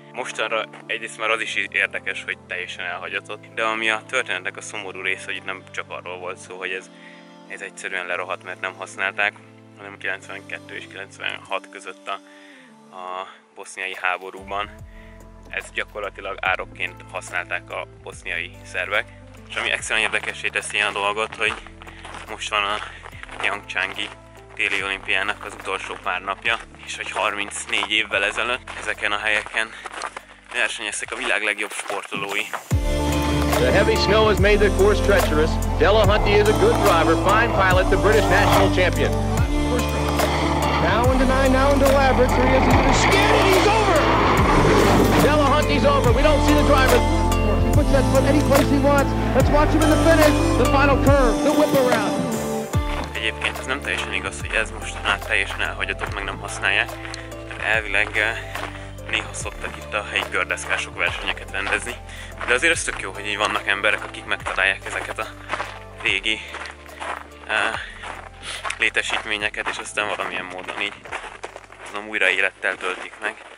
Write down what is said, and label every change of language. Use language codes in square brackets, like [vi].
[hu] Mostanra egyrészt már az is érdekes, hogy teljesen elhagyatott, de ami a történetnek a szomorú része, hogy itt nem csak arról volt szó, hogy ez egyszerűen lerohadt, mert nem használták, hanem 92 és 96 között a boszniai háborúban ezt gyakorlatilag árokként használták a boszniai szervek. És ami extra érdekessé teszi a dolgot, hogy most van a Pjongcsángi téli olimpiának az utolsó pár napja, és hogy 34 évvel ezelőtt ezeken a helyeken versenyeztek a világ legjobb sportolói. [en] The heavy snow has made the course treacherous. Delahunty is a good driver, fine pilot, the British national champion. Now into nine, now into laboratory, as he's scared and he's over! Delahunty's over, we don't see the driver. He puts that foot any place he wants. Let's watch him in the finish, the final curve, the whip around. [hu] Egyébként ez nem teljesen igaz, hogy ez mostanában teljesen elhagyatott, meg nem használják. Elvileg néha szoktak itt a helyi gördeszkások versenyeket rendezni. De azért ez tök jó, hogy így vannak emberek, akik megtalálják ezeket a régi létesítményeket, és aztán valamilyen módon így azon újra élettel töltik meg.